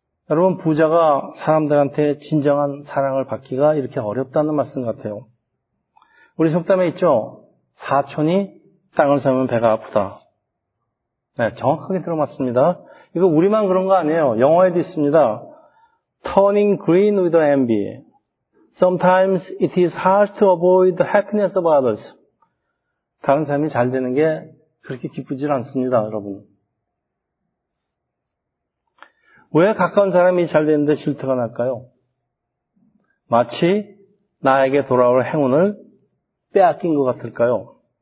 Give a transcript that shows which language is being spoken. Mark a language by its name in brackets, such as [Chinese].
[Korean] 여러분, 부자가 사람들한테 진정한 사랑을 받기가 이렇게 어렵다는 말씀 같아요. 우리 속담에 있죠? 사촌이 땅을 사면 배가 아프다. 네, 정확하게 들어맞습니다. 이거 우리만 그런 거 아니에요. 영어에도 있습니다. [English] Turning green with envy. Sometimes it is hard to avoid the happiness of others. [Korean] 다른 사람이 잘 되는 게 그렇게 기쁘질 않습니다, 여러분. 왜 가까운 사람이 잘 되는데 질투가 날까요? 마치 나에게 돌아올 행운을 빼앗긴 것 같을까요?